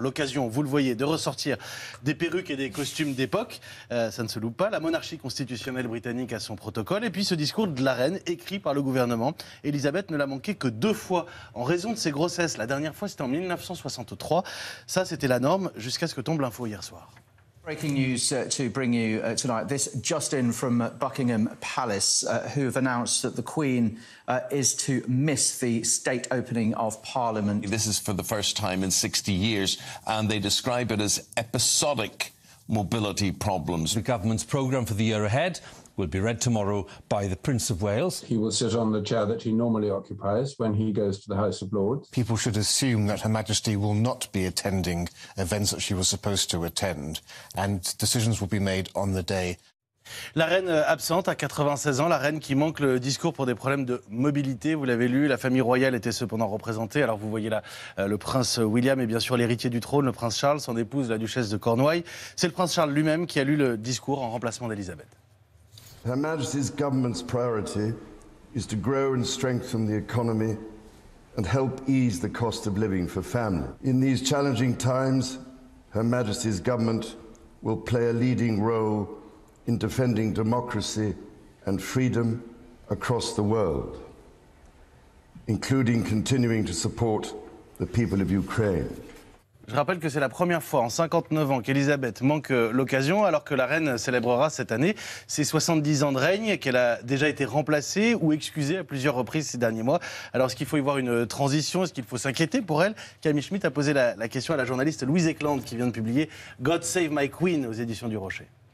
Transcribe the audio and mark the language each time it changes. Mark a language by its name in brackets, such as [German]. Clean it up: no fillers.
[French] L'occasion, vous le voyez, de ressortir des perruques et des costumes d'époque. Ça ne se loupe pas. La monarchie constitutionnelle britannique a son protocole. Et puis ce discours de la reine, écrit par le gouvernement. Elisabeth ne l'a manqué que deux fois en raison de ses grossesses. La dernière fois, c'était en 1963. Ça, c'était la norme jusqu'à ce que tombe l'info hier soir. [English] Breaking news to bring you tonight. This just in from Buckingham Palace, who have announced that the Queen is to miss the state opening of Parliament. This is for the first time in 60 years, and they describe it as episodic mobility problems. The government's programme for the year ahead will be read tomorrow by the Prince of Wales. He will sit on the chair that he normally occupies when he goes to the House of Lords. People should assume that Her Majesty will not be attending events that she was supposed to attend, and decisions will be made on the day. [French] La reine absente à 96 ans, la reine qui manque le discours pour des problèmes de mobilité, vous l'avez lu, la famille royale était cependant représentée. Alors vous voyez là le prince William et bien sûr l'héritier du trône, le prince Charles, son épouse, la duchesse de Cornouailles. C'est le prince Charles lui-même qui a lu le discours en remplacement d'Elisabeth. [English] Her Majesty's government's priority is to grow and strengthen the economy and help ease the cost of living for families. In these challenging times, Her Majesty's government will play a leading role in defending democracy and freedom across the world, including continuing to support the people of Ukraine. [French] Je rappelle que c'est la première fois en 59 ans qu'Elisabeth manque l'occasion, alors que la reine célébrera cette année ses 70 ans de règne, qu'elle a déjà été remplacée ou excusée à plusieurs reprises ces derniers mois. Alors, est-ce qu'il faut y voir une transition ? Est-ce qu'il faut s'inquiéter pour elle ? Camille Schmitt a posé la question à la journaliste Louise Eklund, qui vient de publier « God Save My Queen » aux éditions du Rocher.